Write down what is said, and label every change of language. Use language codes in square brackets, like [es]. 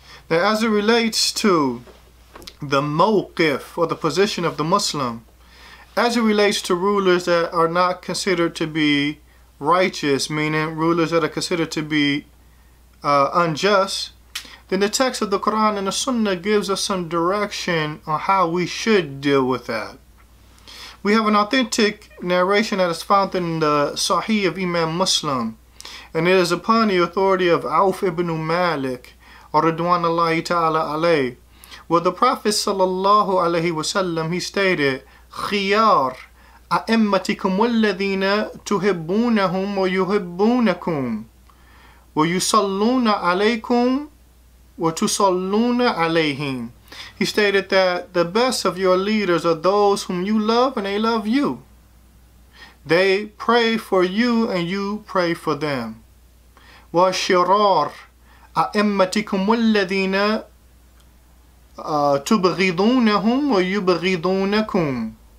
[en] Now, as it relates to the mawqif, or the position of the Muslim, as it relates to rulers that are not considered to be righteous, meaning rulers that are considered to be unjust, then the text of the Quran and the Sunnah gives us some direction on how we should deal with that. We have an authentic narration that is found in the Sahih of Imam Muslim, and it is upon the authority of Auf ibn Malik, Ridwanullahi ta'ala alayh. Well, the Prophet [ar] sallallahu alayhi wasallam, [en] he stated, [ar] خيار أئمتكم الذين تحبونهم ويحبونكم ويصلون عليكم وتصلون عليهم. [en] He stated that the best of your leaders are those whom you love and they love you. They pray for you and you pray for them. [ar] وشرار أئمتكم الذين تبغضونهم ويبغضونكم.